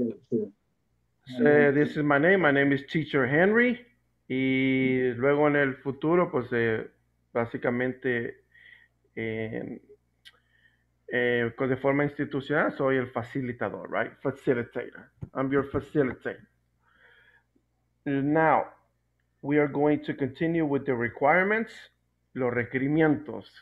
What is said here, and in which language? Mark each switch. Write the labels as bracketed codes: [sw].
[en] So, this is my name is Teacher Henry. [es] Y luego en el futuro, pues básicamente, de forma institucional, soy el facilitador, right? [en] Facilitator. I'm your facilitator. Now, we are going to continue with the requirements, [es] los requerimientos.